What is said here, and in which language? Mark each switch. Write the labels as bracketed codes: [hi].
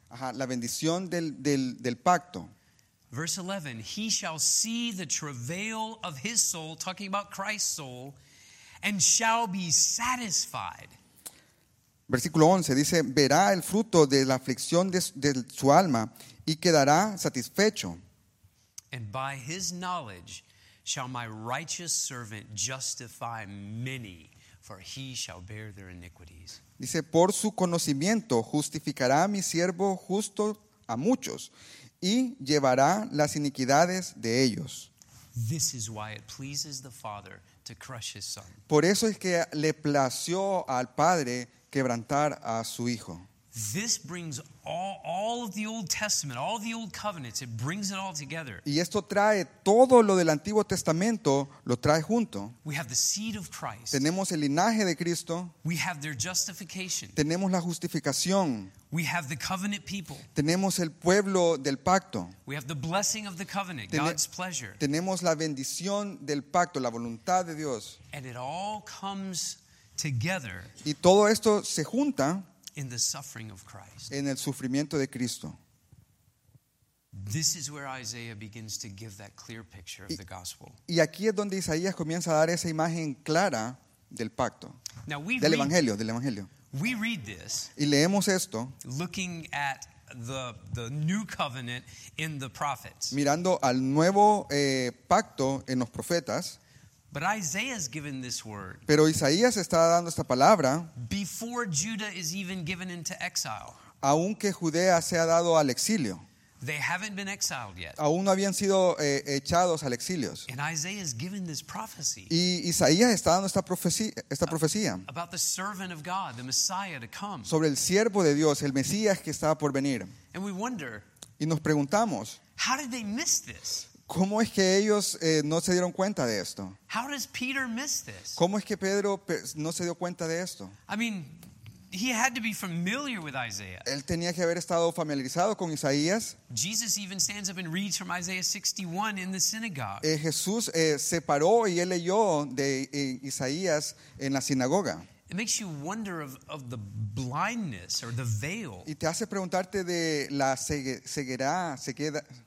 [es] Ajá, la bendición del pacto. [en] Verse 11, he shall see the travail of his soul, talking about Christ's soul, and shall be satisfied. [es] Versículo 11 dice, verá el fruto de la aflicción de su alma y quedará satisfecho. [en] And by his knowledge shall my righteous servant justify many, for he shall bear their iniquities. [es] Dice, por su conocimiento justificará a mi siervo justo a muchos y llevará las iniquidades de ellos. [en] This is why it pleases the Father to crush his son. [es] Por eso es que le plació al Padre quebrantar a su Hijo. [en] This brings all of the Old Testament, all of the old covenants, it brings it all together. [es] Y esto trae todo lo del Antiguo Testamento, lo trae junto. [en] We have the seed of Christ. [es] Tenemos el linaje de Cristo. [en] We have their justification. [es] Tenemos la justificación. [en] We have the covenant people. [es] Tenemos el pueblo del pacto. [en] We have the blessing of the covenant, God's pleasure. [es] Tenemos la bendición del pacto, la voluntad de Dios. [en] And it all comes together. [es] Y todo esto se junta [en] in the suffering of Christ. [es] En el sufrimiento de Cristo. [en] This is where Isaiah begins to give that clear picture of the gospel. [es] Y aquí es donde Isaías comienza a dar esa imagen clara del pacto. [en] Now we [es] del evangelio, del evangelio. [en] We read this. [es] Y leemos esto. [en] Looking at the new covenant in the prophets. [es] Mirando al nuevo pacto en los profetas. [en] But Isaiah is given this word. [es] Pero Isaías está dando esta palabra. [en] Before Judah is even given into exile. [es] Aunque Judea sea dado al exilio. [en] They haven't been exiled yet. [es] Aún no habían sido echados al exilio. [en] And Isaiah is given this prophecy. [es] Y Isaías está dando esta profecía. [en] About the servant of God, the Messiah to come. [es] Sobre el siervo de Dios, el Mesías que estaba por venir. [en] And we wonder. [es] Y nos preguntamos. [en] How did they miss this? [es] ¿Cómo es que ellos no se dieron cuenta de esto? [en] How does Peter miss this? [es] ¿Cómo es que Pedro no se dio cuenta de esto? [en] I mean, he had to be familiar with Isaiah. [es] Él tenía que haber estado familiarizado con Isaías. [en] Jesus even stands up and reads from Isaiah 61 in the synagogue. [es] Jesús se paró y él leyó de Isaías en la sinagoga. [en] It makes you wonder of the blindness or the veil. [es] Y te hace preguntarte de la ceguera, ceguera.